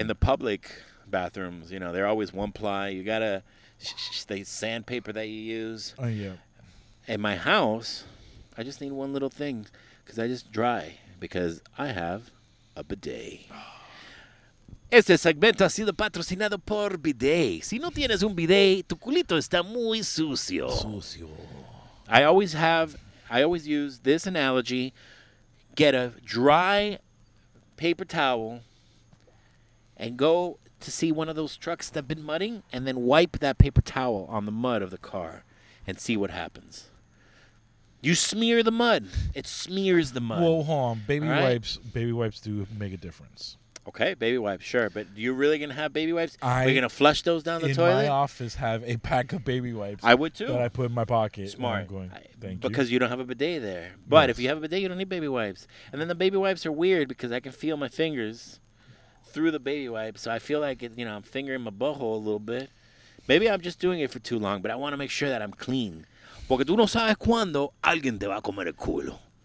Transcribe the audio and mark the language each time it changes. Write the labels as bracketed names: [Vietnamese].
[English] In the public bathrooms, you know, they're always one ply. You gotta the sandpaper that you use. Oh yeah. In my house, I just need one little thing because I just dry because I have a bidet. [Spanish] Este segmento ha sido patrocinado por Bidet. Si no tienes un bidet, tu culito está muy sucio. Sucio. [English] I always use this analogy. Get a dry paper towel and go to see one of those trucks that have been mudding and then wipe that paper towel on the mud of the car and see what happens. You smear the mud. It smears the mud. Whoa, hold on. Baby wipes do make a difference. Okay, baby wipes, sure. But you really going to have baby wipes? Are you going to flush those down the toilet? In my office, have a pack of baby wipes. I would, too. That I put in my pocket. Smart. Thank you. Because you don't have a bidet there. But yes. If you have a bidet, you don't need baby wipes. And then the baby wipes are weird because I can feel my fingers through the baby wipes. So I feel like, you know, I'm fingering my butthole a little bit. Maybe I'm just doing it for too long, but I want to make sure that I'm clean. [Spanish] Porque tú no sabes cuándo alguien te va a comer el culo.